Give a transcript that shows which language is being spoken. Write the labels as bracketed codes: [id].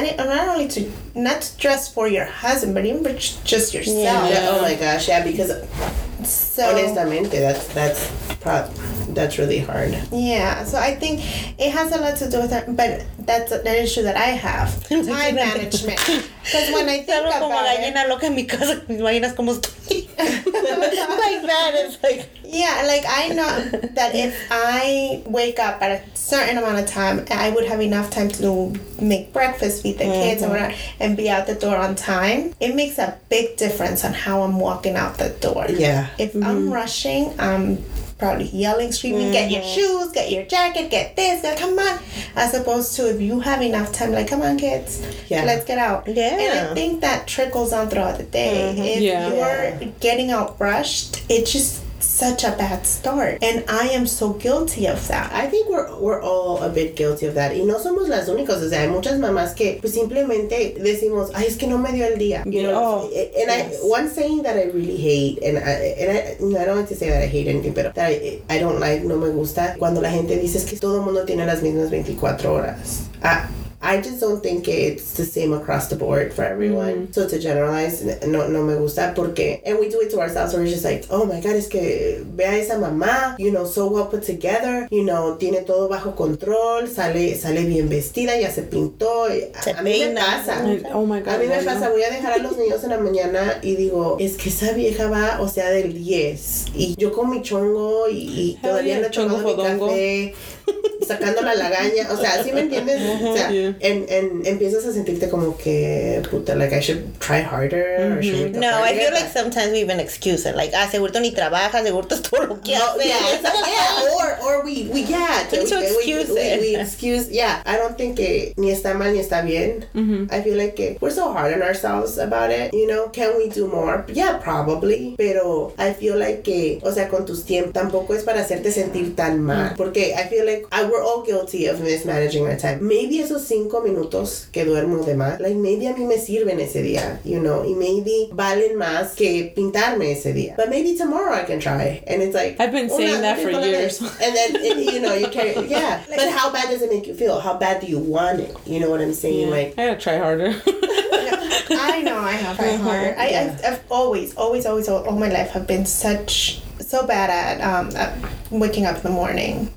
[en] Then not just for your husband, but even for just yourself. Yeah. Oh my gosh, yeah, because honestamente, that's probably... that's really hard. Yeah, so I think it has a lot to do with that, but that's an issue that I have. Time management. Because when I think about [es] como gallina loca en mi casa, mis gallinas como [en] like that, it's like, yeah, like, I know that if I wake up at a certain amount of time, I would have enough time to make breakfast, feed the kids, mm-hmm. whatever, and be out the door on time. It makes a big difference on how I'm walking out the door. Yeah. If mm-hmm. I'm rushing, I'm probably yelling, screaming, mm-hmm. get your shoes, get your jacket, get this, get, come on. As opposed to if you have enough time, like, come on, kids, yeah. let's get out. Yeah. And I think that trickles on throughout the day. Mm-hmm. If you're getting out rushed, it just... such a bad start, and I am so guilty of that. I think we're all a bit guilty of that. [es] Y no somos las únicas. O sea, hay muchas mamás que pues simplemente decimos, ay, es que no me dio el día. [en] You know. and yes. One saying that I really hate, and I don't want to say that I hate anything, pero that I don't like, [es] no me gusta cuando la gente dice es que todo mundo tiene las mismas 24 horas. [en] I just don't think it's the same across the board for everyone. Mm-hmm. So to generalize, [es] no me gusta porque... [en] And we do it to ourselves. So we're just like, oh my God, [es] es que vea esa mamá, [en] you know, so well put together. [es] You know, tiene todo bajo control. Sale bien vestida, ya se pintó. A mí me pasa. [en] Oh my God. [es] A mí me pasa. Voy a dejar a los niños en la mañana y digo, es que esa vieja va, o sea, del 10. Y yo con mi chongo y todavía no he tomado fodongo. Mi café. Sacando la lagaña, o sea, ¿sí me entiendes? Uh-huh, o sea, [en] yeah. and [es] empiezas a sentirte como que, puta, [en] like, I should try harder, mm-hmm. or should no, I feel like sometimes we even excuse it, like, [es] seguro ni trabajas, seguro estás todo lo que haces. [en] Yeah, we excuse, I don't think [es] que ni está mal ni está bien, mm-hmm. [en] I feel like que we're so hard on ourselves about it, you know, can we do more? Yeah, probably, [es] pero I feel like que, o sea, con tus tiempos, tampoco es para hacerte sentir tan mal, mm-hmm. porque I feel like, I [en] we're all guilty of mismanaging our time. [es] Maybe esos 5 minutos que duermo de más, like, maybe a mí me sirven ese día, [en] you know, [es] y maybe valen más que pintarme ese día. [en] But maybe tomorrow I can try. And it's like, I've been saying that for years. And then, and, you know, you carry, yeah. Like, but how bad does it make you feel? How bad do you want it? You know what I'm saying? Yeah. Like, I gotta try harder. I know, I have tried harder. I've always, all my life have been so bad at waking up in the morning.